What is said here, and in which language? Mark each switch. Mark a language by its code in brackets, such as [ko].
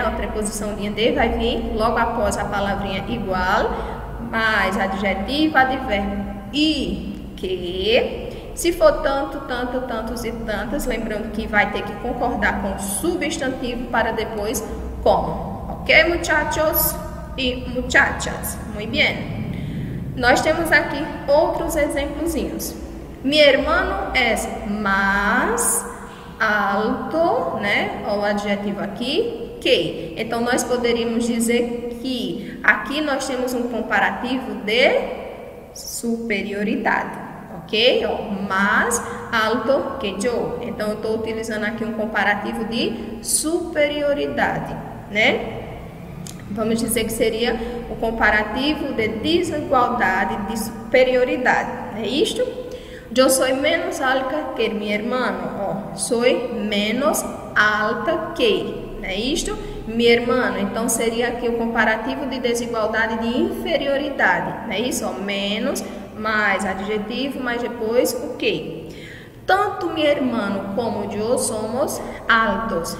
[pt] A preposiçãozinha de vai vir logo após a palavrinha igual, mais adjetivo, advérbio e que. Se for tanto, tanto, tantos e tantas, lembrando que vai ter que concordar com o substantivo para depois como. [es] Ok, muchachos e muchachas? Muy bien. [pt] Nós temos aqui outros exemplozinhos. [es] Mi hermano es más alto, né? [pt] O adjetivo aqui, que. Então, nós poderíamos dizer que aqui nós temos um comparativo de superioridade. Ok? Mais alto [es] que yo. [pt] Então, eu estou utilizando aqui um comparativo de superioridade, né? Vamos dizer que seria o comparativo de desigualdade, de superioridade. É isto? [es] Yo soy menos alta que mi hermano. Soy menos alta que. [pt] É isto? [es] Mi hermano. [pt] Então, seria aqui o comparativo de desigualdade, de inferioridade. É isso? Menos mais adjetivo, mas depois o que? Tanto meu irmão como eu somos altos.